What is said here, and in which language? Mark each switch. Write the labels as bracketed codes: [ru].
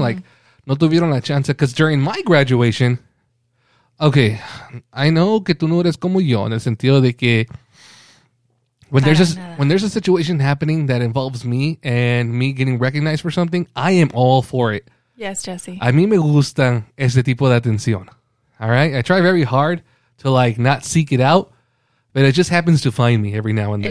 [en] Like, [es] no tuvieron la chance, [en] because during my graduation, okay, I know [es] que tú no eres como yo, en el sentido de que [en] when there's a situation happening that involves me and me getting recognized for something, I am all for it. Yes, Jesse. [es] A mí me gustan ese tipo de atención, [en] all right? I try very hard to, like, not seek it out, but it just happens to find me every now and then.